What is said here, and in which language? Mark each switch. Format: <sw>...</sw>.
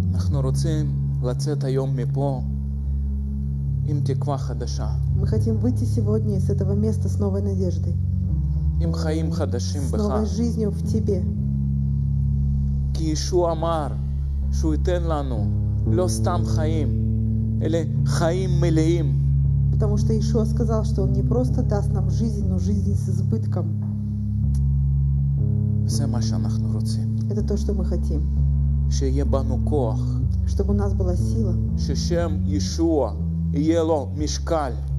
<ru>Мы хотим выйти сегодня</ru> <he>עם תקווה חדשה.</he> <ru>Мы хотим выйти сегодня из этого места с новой надеждой.</ru> <he>עם חיים חדשים בך.</he> <ru>С новой жизнью в тебе.</ru> <he>כי ישוע אמר שהוא ייתן לנו לא סתם חיים, אלא חיים מלאים.</he> <ru>Потому что Иешуа сказал, что он не просто даст нам жизнь, но жизнь с избытком.</ru> <he>זה מה שאנחנו רוצים.</he> <ru>Это то, что мы хотим.</ru> <he>שיהיה בנו כוח.</he> <ru>Чтобы у нас была сила.</ru> <he>ששם ישוע. Ело мешкаль,</he>